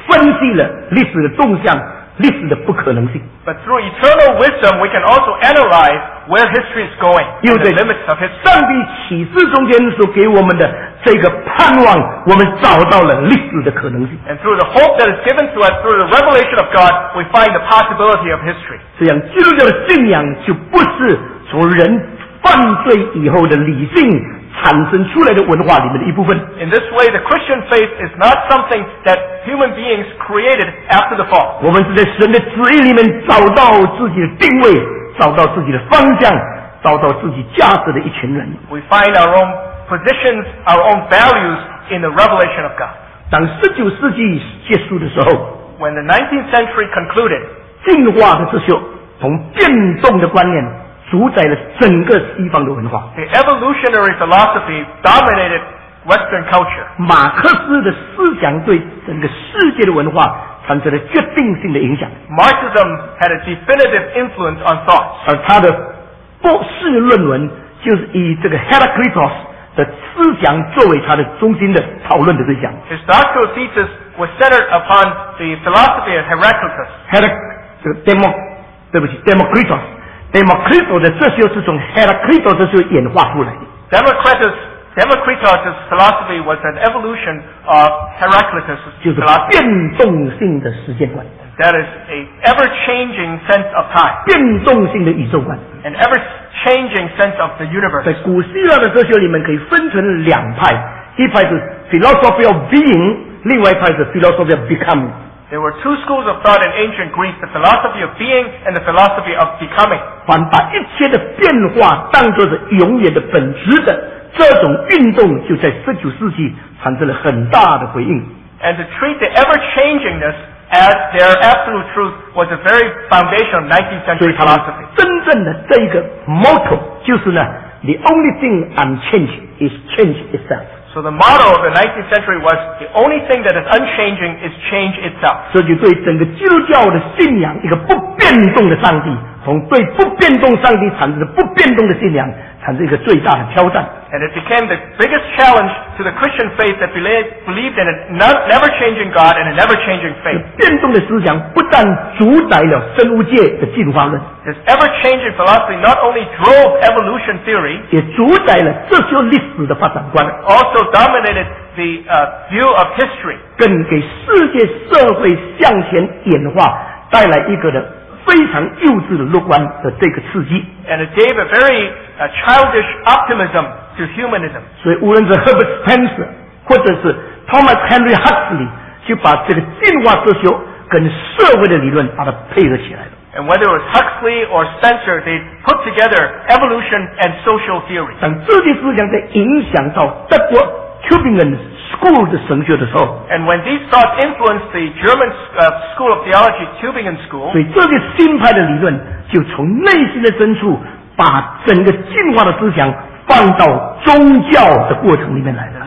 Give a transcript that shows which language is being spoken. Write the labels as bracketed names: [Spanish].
[Chinese] 我们更透过永恒的智慧分析了历史的动向，历史的不可能性。 [English] But through eternal wisdom, we can also analyze where history is going. And the limits of history. [Chinese] 上帝启示中间所给我们的这个盼望，我们找到了历史的可能性。 [English] And through the hope that is given to us through the revelation of God, we find the possibility of history. [Chinese] 这样，基督教的信仰就不是从人 犯罪以后的理性产生出来的文化里面的一部分。 [English] In this way, the Christian faith is not something that human beings created after the fall. [Chinese] 我们是在神的旨意里面找到自己的定位，找到自己的方向，找到自己价值的一群人。 [English] We find our own positions, our own values in the revelation of God. [Chinese] 当十九世纪结束的时候 [English] ，When the 19th century concluded, [Chinese] 进化的秩序从变动的观念。主宰了整个西方的文化。 [English] The evolutionary philosophy dominated Western culture. [Chinese] 马克思的思想对整个世界的文化产生了决定性的影响。 [English] Marxism had a definitive influence on thought. [Chinese] 而他的博士论文就是以这个 Heraclitus 的思想作为他的中心的讨论的对象。 [English] His doctoral thesis was centered upon the philosophy of Heraclitus. Democritus. [Chinese] Democritus 的哲学是从 Heraclitus 哲学演化出来的。 [English] Democritus' philosophy was an evolution of Heraclitus' philosophy. [Chinese] 变动性的时间观。 [English] That is a ever-changing sense of time. [Chinese] 变动性的宇宙观。 [English] An ever-changing sense of the universe. [Chinese] 在古希腊的哲学里面可以分成两派，一派是 [English] philosophy of being， [Chinese] 另外一派是 [English] philosophy of becoming。 There were two schools of thought in ancient Greece, the philosophy of being and the philosophy of becoming. [Chinese] 凡把一切的变化当作是永远的本质的这种运动就在十九世纪产生了很大的回应。 [English] And to treat the ever-changingness as their absolute truth was a very foundational 19th century philosophy. [Chinese] 真正的这一个 motto 就是呢 [English] the only thing unchanging is change itself. So the motto of the 19th century was the only thing that is unchanging is change itself. [Chinese] 这就对整个基督教的信仰一个不变动的上帝从对不变动上帝产生的不变动的信仰产生一个最大的挑战。 [English] And it became the biggest challenge to the Christian faith that believed in a never-changing God and a never-changing faith. [Chinese] 变动的思想不但主宰了生物界的进化论。 [English] This ever-changing philosophy not only drove evolution theory, [Chinese] 也主宰了哲学历史的发展观。 [English] Also dominated the view of history. [Chinese] 更给世界社会向前演化带来一个的非常幼稚的乐观的这个刺激。 [English] And it gave a very childish optimism to humanism. [Chinese] 所以无论是 Herbert Spencer 或者是 Thomas Henry Huxley 就把这个进化哲学跟社会的理论把它配合起来了。 [English] And whether it was Huxley or Spencer, they put together evolution and social theory. [Chinese] 当这些思想在影响到德国 Tübingen School 的神学的时候 [English] ，And when these thoughts influenced the German school of theology, Tübingen School, [Chinese] 所以这个新派的理论就从内心的深处把整个进化的思想放到宗教的过程里面来了。